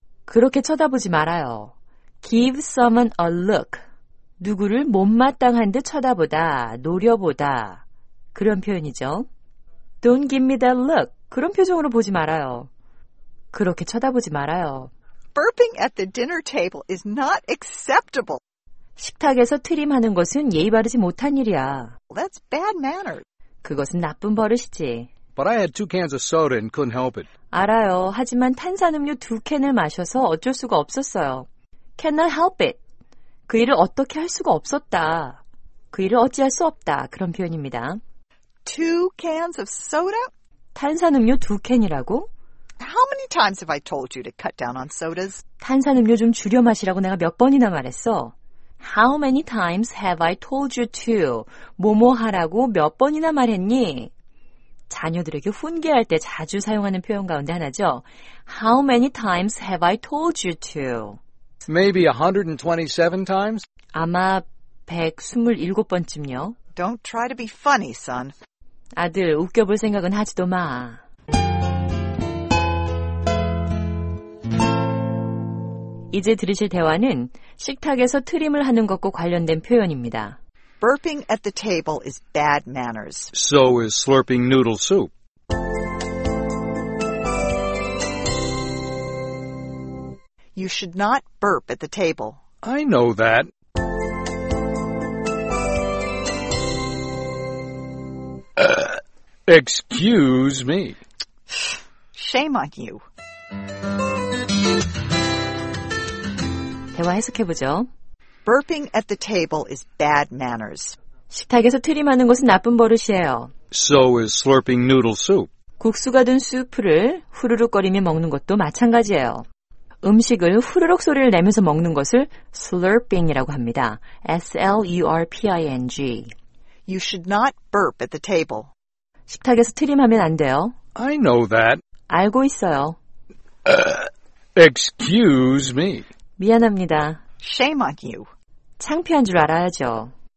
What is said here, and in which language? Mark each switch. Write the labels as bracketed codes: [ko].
[ko] 그렇게 쳐다보지 말아요. [en] Give someone a look. [ko] 누구를 못마땅한 듯 쳐다보다, 노려보다. 그런 표현이죠. [en] Don't give me that look. [ko] 그런 표정으로 보지 말아요. 그렇게 쳐다보지 말아요. [en] Burping at the dinner table is not acceptable. [ko] 식탁에서 트림하는 것은 예의 바르지 못한 일이야. [en] That's bad manners. [ko] 그것은 나쁜 버릇이지. [en] But I had two cans of soda and couldn't help it. [ko] 알아요. 하지만 탄산음료 두 캔을 마셔서 어쩔 수가 없었어요. [en] Cannot help it. [ko] 그 일을 어떻게 할 수가 없었다. 그 일을 어찌할 수 없다. 그런 표현입니다. [en] Two cans of soda? [ko] 탄산음료 두 캔이라고? [en] How many times have I told you to cut down on sodas? [ko] 탄산음료 좀 줄여 마시라고 내가 몇 번이나 말했어. [en] How many times have I told you to? [ko] 뭐뭐 하라고 몇 번이나 말했니? 자녀들에게 훈계할 때 자주 사용하는 표현 가운데 하나죠. [en] How many times have I told you to? Maybe 127 times? [ko] 아마 127번쯤요. [en] Don't try to be funny, son. [ko] 아들, 웃겨볼 생각은 하지도 마. 이제 들으실 대화는 식탁에서 트림을 하는 것과 관련된 표현입니다. [en] Burping at the table is bad manners. So is slurping noodle soup. You should not burp at the table. I know that. 'Excuse me. Shame on you. [ko] 대화 해석해보죠. [en] Burping at the table is bad manners. [ko] 식탁에서 트림하는 것은 나쁜 버릇이에요. [en] So is slurping noodle soup. [ko] 국수가 든 수프를 후루룩거리며 먹는 것도 마찬가지예요. 음식을 후루룩 소리를 내면서 먹는 것을 slurping이라고 합니다. [en] S-L-U-R-P-I-N-G. You should not burp at the table. [ko] 식탁에서 트림하면 안 돼요. [en] I know that. [ko] 알고 있어요. [en] Excuse me. [ko] 미안합니다. [en] Shame on you. [ko] 창피한 줄 알아야죠.